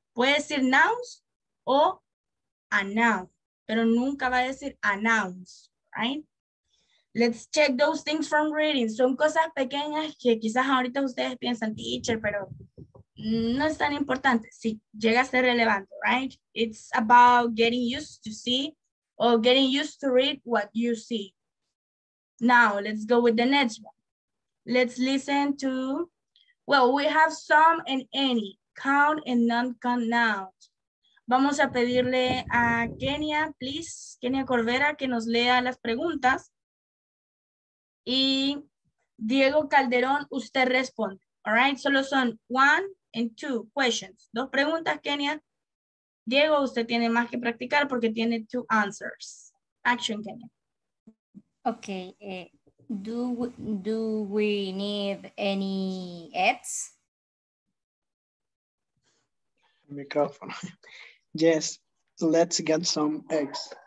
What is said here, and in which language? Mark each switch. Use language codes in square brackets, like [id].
[es] Puede decir nouns o a noun, pero nunca va a decir a nouns, right? [en] Let's check those things from reading. [es] Son cosas pequeñas que quizás ahorita ustedes piensan, teacher, pero no es tan importante. Sí, llega a ser relevante, [en] right? It's about getting used to see. Or getting used to read what you see. Now, let's go with the next one. Let's listen to, well, we have some and any, count and non-count nouns. [es] Vamos a pedirle a Kenia, please, Kenia Corvera, que nos lea las preguntas. Y Diego Calderón, usted responde. [en] All right, [es] solo son [en] one and two questions. [es] Dos preguntas, Kenia. Diego, usted tiene más que practicar porque tiene two answers. [en] Action, Kenya. Okay. Do we need any apps? Microphone. Yes, let's get some eggs.